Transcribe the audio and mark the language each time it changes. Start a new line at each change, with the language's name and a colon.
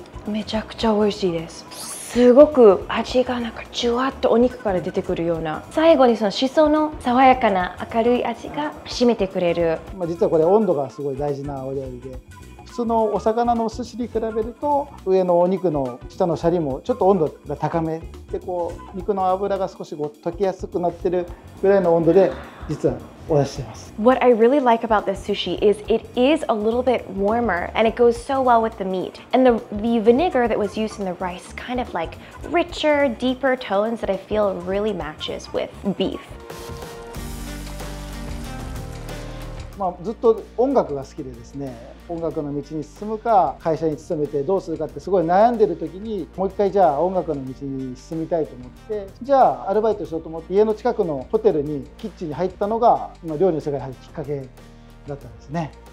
Japanese: めちゃくちゃ美味しいです。すごく味がなんかじゅわっとお肉から出てくるような、最後にそのシソの爽やかな明るい味が締めてくれる。まあ、実はこれ温度がすごい大事なお料理で、普通のお魚のお寿司に比べると上のお肉の下のシャリもちょっと温度が高めで、こう肉の脂が少しこう溶けやすくなってるぐらいの温度で実はお出ししてます。
English: What I really like about this sushi is it is a little bit warmer and it goes so well with the meat. And the vinegar that was used in the rice kind of like richer, deeper tones that I feel really matches with beef.
Japanese: まあ、ずっと音楽が好きでですね、音楽の道に進むか会社に勤めてどうするかってすごい悩んでる時に、もう一回じゃあ音楽の道に進みたいと思って、じゃあアルバイトしようと思って家の近くのホテルにキッチンに入ったのが今料理の世界に入るきっかけだったんですね。